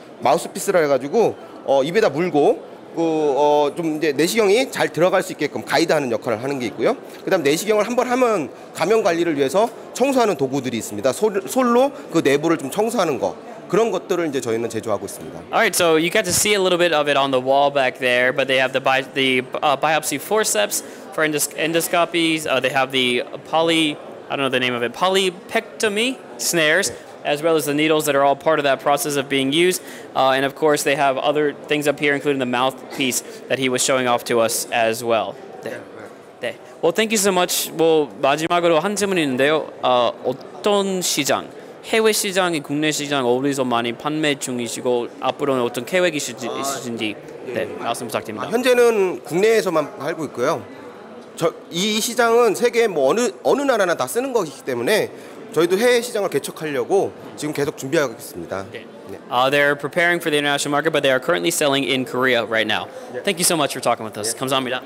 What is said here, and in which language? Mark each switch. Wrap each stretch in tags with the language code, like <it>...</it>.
<ko>마우스피스라 해가지고 입에다 물고 좀 이제 내시경이 잘 들어갈 수 있게끔 가이드하는 역할을 하는 게 있고요. 그다음 내시경을 한번 하면 감염 관리를 위해서 청소하는 도구들이 있습니다. 솔로 그 내부를 좀 청소하는 거 그런 것들을 이제 저희는 제조하고 있습니다.</ko> <en>Alright, so you got to see a little bit of it on the wall back there, but they have the biopsy forceps for endoscopies. They have the polypectomy snares. As well as the needles that are all part of that process of being used. And of course, they have other things up here, including the mouthpiece that he was showing off to us as well.</en> <ko>네. 네.</ko> <en>Well, thank you so much.</en> <ko>뭐, 마지막으로 한 질문이 있는데요. 어떤 시장, 해외 시장이 국내 시장 어디서 많이 판매 중이시고 앞으로는 어떤 계획이 있으신지 네. 네. 말씀 부탁드립니다. 현재는 국내에서만 하고 있고요. 이 시장은 세계 뭐 어느 나라나 다 쓰는 것이기 때문에 저희도 해외 시장을 개척하려고 지금 계속 준비하고 있습니다.</ko> <en>Okay. They're preparing for the international market, but they are currently selling in Korea right now. Yeah. Thank you so much for talking with us. Yeah.</en> <ko>감사합니다.</ko>